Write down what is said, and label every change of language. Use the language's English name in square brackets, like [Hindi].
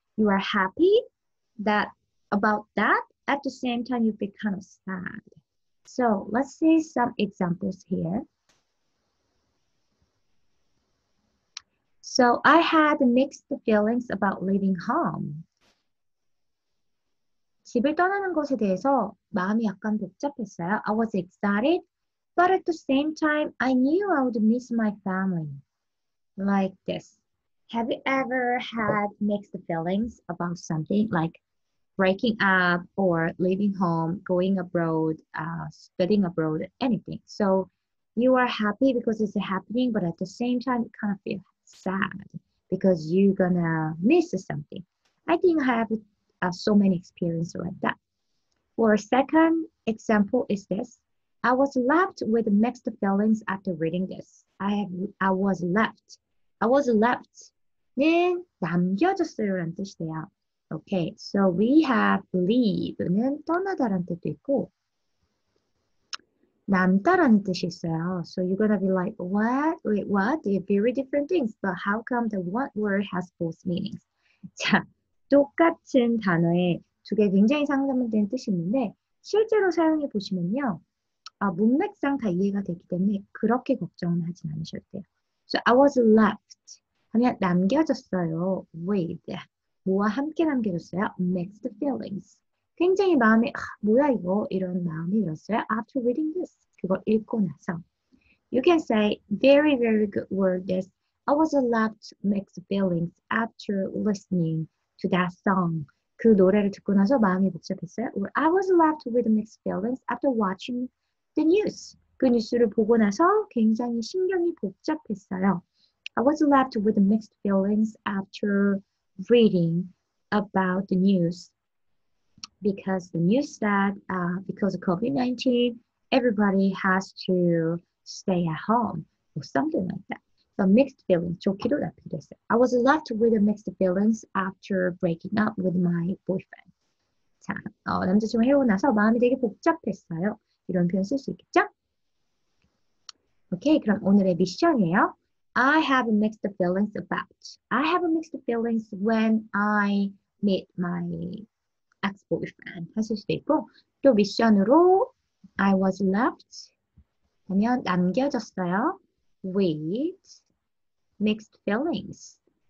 [English] You are happy that about that. At the same time, you feel kind of sad. So let's see some examples here. So I had mixed feelings about leaving home. [Korean] 집을 떠나는 것에 대해서 마음이 약간 복잡했어요. [English] I was excited, but at the same time, I knew I would miss my family. Like this. Have you ever had mixed feelings about something like breaking up or leaving home, going abroad, studying abroad, anything? So you are happy because it's happening, but at the same time, you kind of feel sad because you're gonna miss something. I think I have so many experiences like that. For a second example is this. I was left with mixed feelings after reading this. I was left. [Korean] 는 남겨졌어요라는 뜻이에요. [English] Okay, so we have [Korean] leave는 떠나다라는 뜻도 있고 남다라는 뜻이 있어요. [English] So you're gonna be like, what? Wait, what? They're very different things. But how come the one word has both meanings? [Korean] 자, 똑같은 단어에 두 개 굉장히 상반된 뜜이 있는데 실제로 사용해 보시면요. 아, 문맥상 다 이해가 되기 때문에 그렇게 걱정은 하지 않으셔도 돼요. [English] So I was left. [Korean] 하면 남겨졌어요. [English] With. [Korean] 뭐와 함께 남겨졌어요? [English] Mixed feelings. [Korean] 굉장히 마음이 아, 뭐야 이거? 이런 마음이 들었어요. [English] After reading this. [Korean] 그거 읽고 나서. [English] You can say, very, very good word this. I was left mixed feelings after listening to that song. [Korean] 그 노래를 듣고 나서 마음이 복잡했어요. [English] Or I was left with mixed feelings after watching the news. [Korean] 그 뉴스를 보고 나서 굉장히 심경이 복잡했어요. [English] I was left with mixed feelings after reading about the news. Because the news said, because of COVID-19, everybody has to stay at home or something like that. So mixed feelings, [Korean] 좋기도 나쁘기도 했어요. [English] I was left with mixed feelings after breaking up with my boyfriend. [Korean] 자, 남자친구 헤어지고 나서 마음이 되게 복잡했어요. 이런 표현 쓸 수 있겠죠? Okay, 그럼 오늘의 미션이에요. [English] I have mixed feelings about. I have mixed feelings when I meet my ex-boyfriend [Korean] 하실 수도 있고 또 미션으로 [English] I was left [Korean] 하면 남겨졌어요 [English] with mixed feelings